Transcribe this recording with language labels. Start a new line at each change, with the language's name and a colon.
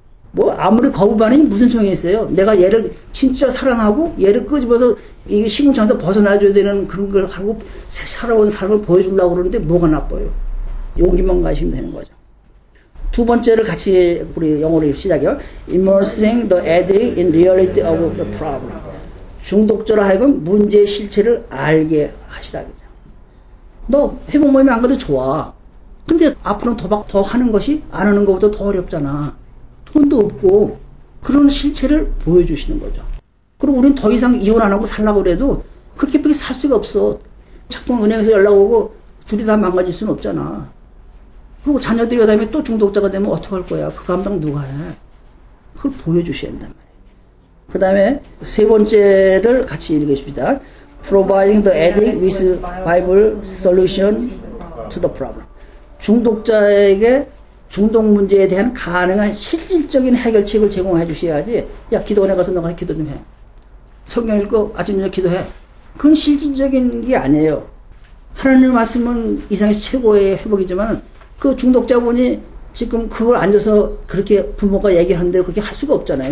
Korean: 뭐 아무리 거부반응이 무슨 소용이 있어요. 내가 얘를 진짜 사랑하고 얘를 끄집어서 식물창에서 벗어나줘야 되는 그런 걸 하고 살아온 삶을 보여주려고 그러는데 뭐가 나빠요. 용기만 가시면 되는 거죠. 두 번째를 같이 우리 영어로 시작해요.
English: Immersing the addict in reality of the problem.
Korean: 중독자로 하여금 문제의 실체를 알게 하시라. 너 회복 모임에 안 가도 좋아. 근데 앞으로 도박 더 하는 것이 안 하는 것보다 더 어렵잖아. 돈도 없고 그런 실체를 보여주시는 거죠. 그리고 우린 더 이상 이혼 안 하고 살라고 해도 그렇게 빨리 살 수가 없어. 자꾸 은행에서 연락 오고 둘이 다 망가질 수는 없잖아. 그리고 자녀들이 그다음에 또 중독자가 되면 어떡할 거야. 그 감당 누가 해. 그걸 보여주셔야 한단 말이야. 그 다음에 세 번째를 같이 읽으십니다.
English: Providing the addict with viable solution to the problem.
Korean: 중독자에게 중독 문제에 대한 가능한 실질적인 해결책을 제공해 주셔야지. 야, 기도원에 가서 너가 기도 좀 해. 성경 읽고 아침 저녁 기도해. 그건 실질적인 게 아니에요. 하나님의 말씀은 이 세상에서 최고의 회복이지만 그 중독자분이 지금 그걸 앉아서 그렇게 부모가 얘기하는 대로 그렇게 할 수가 없잖아요.